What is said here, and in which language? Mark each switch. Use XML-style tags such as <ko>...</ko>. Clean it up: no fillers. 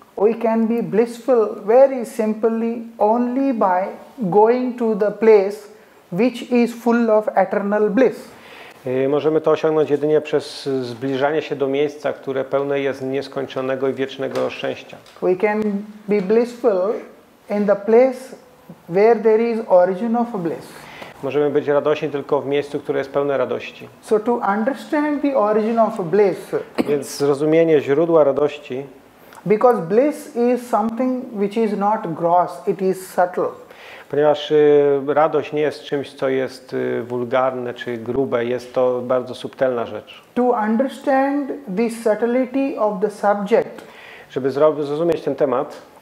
<en>We can be blissful very simply only by going to the place which is full of eternal bliss.</en> <pl>Możemy to osiągnąć jedynie przez zbliżanie się do miejsca, które pełne jest nieskończonego i wiecznego szczęścia.</pl> <en>We can be blissful in the place where there is origin of bliss.</en> <pl>Możemy być radośni tylko w miejscu, które jest pełne radości.</pl> <en>So to understand the origin of bliss.</en> <pl>Więc zrozumienie źródła radości.</pl> <en>Because bliss is something which is not gross, it is subtle.</en> <pl>Ponieważ radość nie jest czymś, co jest wulgarne czy grube, jest to bardzo subtelna rzecz.</pl> <en>To understand the subtlety of the subject.</en> <pl>Żeby zrozumieć ten temat,</pl>